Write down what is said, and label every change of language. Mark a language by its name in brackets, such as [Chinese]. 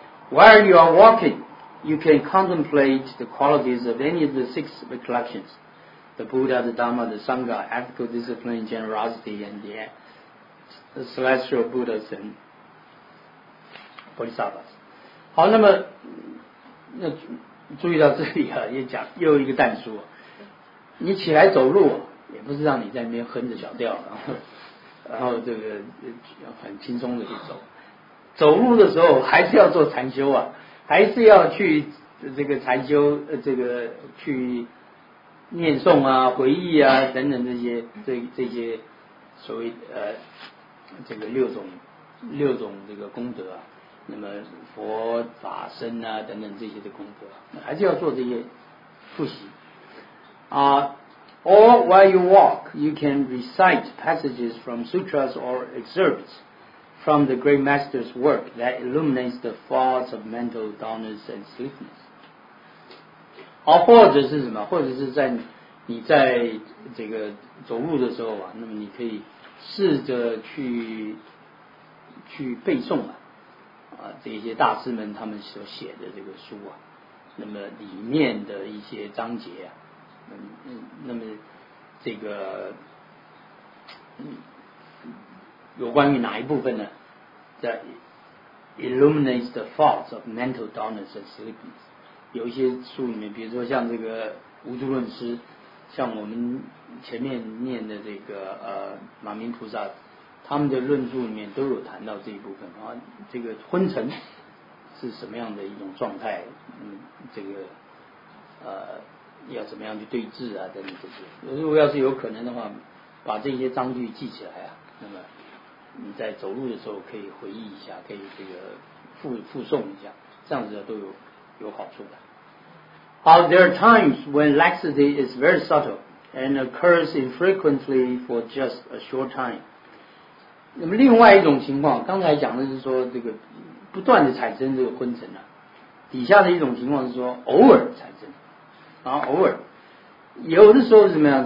[English] While you are walking, you can contemplate the qualities of any of the six recollections: the Buddha, the Dhamma, the Sangha, ethical discipline, generosity, and the celestial Buddhas and Bodhisattvas. [Chinese] 好，那么那。注意到这里啊，也讲又有一个淡书，你起来走路也不是让你在那边哼着小调，然后这个很轻松的去走，走路的时候还是要做禅修啊，还是要去这个禅修，这个去念诵啊、回忆啊等等这些，这些所谓这个六种这个功德啊，那么佛法身啊等等这些的功德、啊，还是要做这些复习啊。 [English] Or while you walk, you can recite passages from sutras or excerpts from the great master's work that illuminates the faults of mental dullness and sleepness. [Chinese] 好，或者是什么？或者是在你在这个走路的时候啊，那么你可以试着去背诵啊，这些大师们他们所写的这个书啊，那么里面的一些章节啊。那么这个有关于哪一部分呢？ [English] That illuminates the faults of mental dullness and sleepiness。 [Chinese] 有一些书里面，比如说像这个无著论师，像我们前面念的这个马明菩萨，他们的论著里面都有谈到这一部分啊，这个昏沉是什么样的一种状态，这个要怎么样去对治啊等等这些。如果要是有可能的话，把这些章句记起来啊，那么你在走路的时候可以回忆一下，可以这个复诵一下，这样子都有好处的。 [English] 好， there are times when laxity is very subtle and occurs infrequently for just a short time。 [Chinese] 那么另外一种情况，刚才讲的是说这个不断的产生这个昏沉啊，底下的一种情况是说偶尔产生啊，偶尔，有的时候怎么样？